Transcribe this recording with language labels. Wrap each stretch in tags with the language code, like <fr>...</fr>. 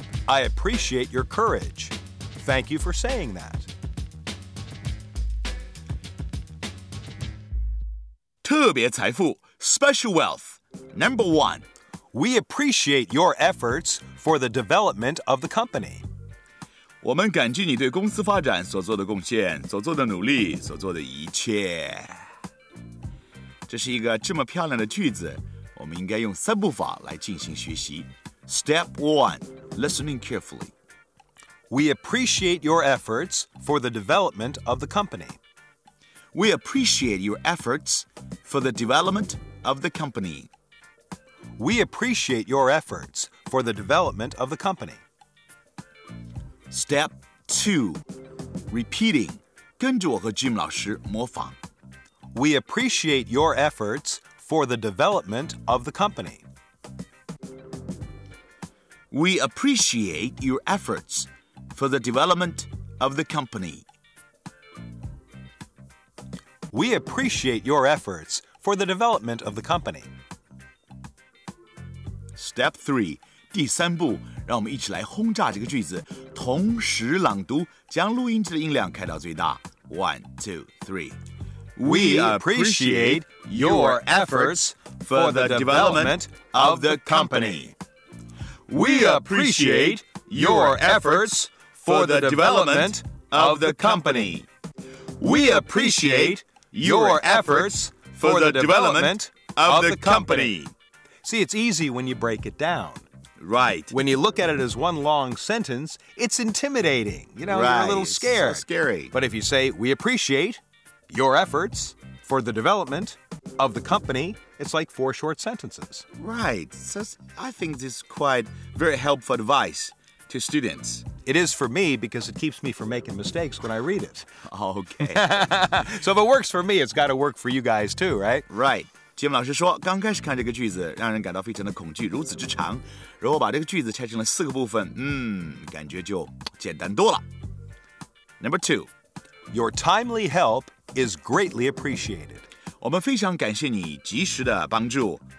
<en>I appreciate your courage. Thank you for saying that. 特别财富 Special Wealth. Number one. We appreciate your efforts for the development of the company.</en> <zh>我们感激你对公司发展所做的贡献，所做的努力，所做的一切。这是一个这么漂亮的句子，我们应该用三步法来进行学习。</zh> <en>Step one. Listening carefully. We appreciate your efforts for the development of the company. We appreciate your efforts for the development of the company. We appreciate your efforts for the development of the company. Step two. Repeating.</en> <zh>跟着我和 Jim 老师模仿。</zh> <en>We appreciate your efforts for the development of the company. We appreciate your efforts for the development of the company. We appreciate your efforts for the development of the company. Step 3,</en> <zh>第三步，让我们一起来轰炸这个句子，同时朗读，将录音机的音量开到最大。</zh> <en>One, two, three. We appreciate your efforts for the development of the company. We appreciate your efforts for the development of the company. We appreciate your efforts for the development of the company. See, it's easy when you break it down. Right. When you look at it as one long sentence, it's intimidating. You know, right. You're a little scared. It's so scary. But if you say, we appreciate your efforts for the development of the company, it's like four short sentences. Right. So I think this is quite very helpful advice to students. It is for me because it keeps me from making mistakes when I read it. Okay. So if it works for me, it's got to work for you guys too, right? Right.</en> <zh>杰姆老师说，刚开始看这个句子让人感到非常的恐惧，如此之长，如果把这个句子拆成了四个部分，感觉就简单多了。</zh> <en>Number two, Your timely help is greatly appreciated.</en> <zh>我们非常感谢你及时的帮助。</zh>